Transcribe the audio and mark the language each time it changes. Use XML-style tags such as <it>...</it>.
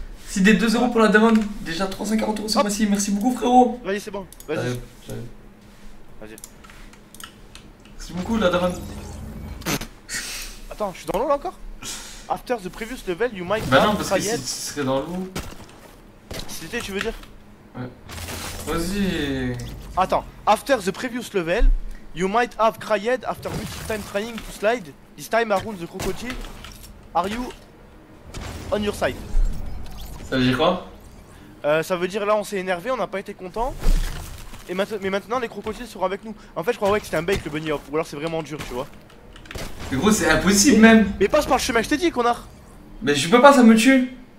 <fr>Si des 2 euros pour la demande, déjà 340 euros c'est facile, merci beaucoup frérot. Vas-y c'est bon, vas-y. Allez, vas-y. Merci beaucoup la demande. Attends, je suis dans l'eau là encore.</fr> <en>After the previous level, you might...</en> <fr>Bah non, parce que si tu serais dans l'eau... Si t'étais, tu veux dire? Ouais. Vas-y. Attends,</fr> <en>after the previous level, you might have cried after multiple time trying to slide, this time around the crocodile, are you on your side?</en> <fr>Ça veut dire quoi? Ça veut dire là on s'est énervé, on n'a pas été content. Et mais maintenant les crocodiles seront avec nous. En fait je crois ouais que c'était un bait le bunny hop, ou alors c'est vraiment dur tu vois. Mais gros c'est impossible même. Mais passe par le chemin, je t'ai dit connard. Mais je peux pas, ça me tue.</fr>